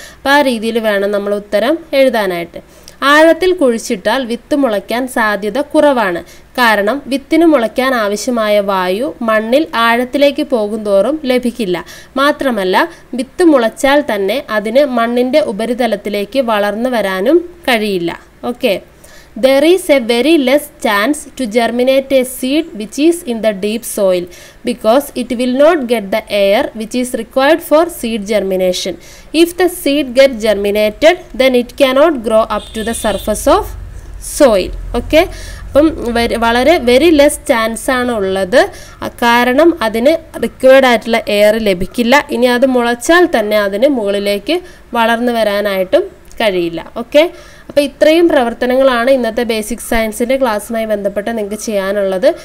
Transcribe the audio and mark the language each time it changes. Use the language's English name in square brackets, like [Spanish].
[Malayalam] അപ്പം ആ രീതിയിൽ വേണം നമ്മൾ ഉത്തരം എഴുതാനായിട്ട്. ആഴത്തിൽ കുഴിച്ചിട്ടാൽ വിത്ത് മുളയ്ക്കാൻ സാധ്യത കുറവാണ്. കാരണം വിത്തിന് മുളയ്ക്കാൻ ആവശ്യമായ വായു മണ്ണിൽ ആഴത്തിലേക്ക് പോകുന്തോറും ലഭിക്കില്ല. മാത്രമല്ല വിത്ത് മുളച്ചാൽ തന്നെ അതിന് മണ്ണിൻ്റെ ഉപരിതലത്തിലേക്ക് വളർന്നു വരാനും കഴിയില്ല. [English] Okay, there is a very less chance to germinate a seed which is in the deep soil because it will not get the air which is required for seed germination. If the seed get germinated, then it cannot grow up to the surface of soil. [Malayalam] okay, അപ്പം വളരെ less chance ആണ് ഉള്ളത്. കാരണം അതിന് required ആയിട്ടുള്ള air ലഭിക്കില്ല. ഇനി അത് മുളച്ചാൽ തന്നെ അതിന് മുകളിലേക്ക് വളർന്നു വരാനായിട്ടും കഴിയില്ല. ഓക്കെ, അപ്പോൾ ഇത്രയും പ്രവർത്തനങ്ങളാണ് ഇന്നത്തെ ബേസിക് സയൻസിൻ്റെ ക്ലാസ്സുമായി ബന്ധപ്പെട്ട് നിങ്ങൾക്ക് ചെയ്യാനുള്ളത്.